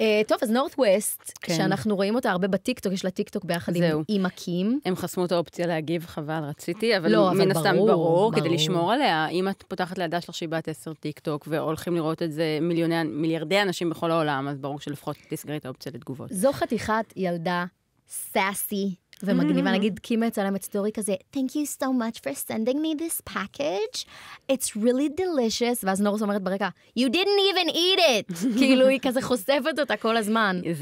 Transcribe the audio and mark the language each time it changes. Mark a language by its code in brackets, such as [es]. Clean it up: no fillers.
[he] טוב, אז נורת ווסט, שאנחנו רואים אותה הרבה בטיקטוק, יש לה טיקטוק ביחד עם אקים. הם חסמו את האופציה להגיב, חבל, רציתי, אבל מן הסתם ברור, כדי לשמור עליה, אם את פותחת לידה שלך שהיא בת 10 טיקטוק, והולכים לראות את זה מיליארדי אנשים בכל העולם, אז ברור שלפחות תסגרי את האופציה לתגובות. זו חתיכת ילדה סאסי. ומגניבה, נגיד, קימה צלמת סטורי כזה, [en] Thank you so much for sending me this package. It's really delicious. [he] ואז נורס אומרת ברקע, [en] You didn't even eat it. [he] כאילו, היא כזה חושפת אותה כל הזמן.